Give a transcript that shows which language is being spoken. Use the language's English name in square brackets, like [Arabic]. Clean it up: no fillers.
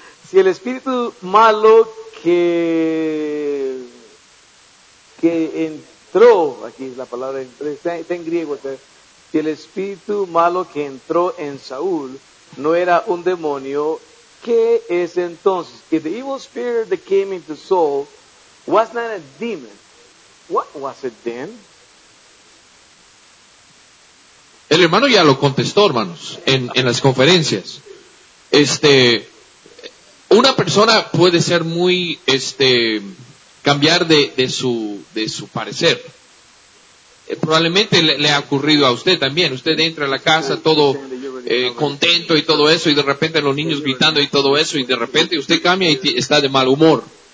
[Spanish] Si el espíritu malo que entró, aquí es la palabra, está en griego, si el espíritu malo que entró en Saúl no era un demonio, ¿qué es entonces? [English] If the evil spirit that came into Saul was not a demon, what was it then? [Spanish] El hermano ya lo contestó, hermanos, en las conferencias. Una persona puede ser muy, cambiar de su parecer. Probablemente le ha ocurrido a usted también. Usted entra a la casa todo contento y todo eso, y de repente los niños gritando y todo eso, y de repente usted cambia y está de mal humor.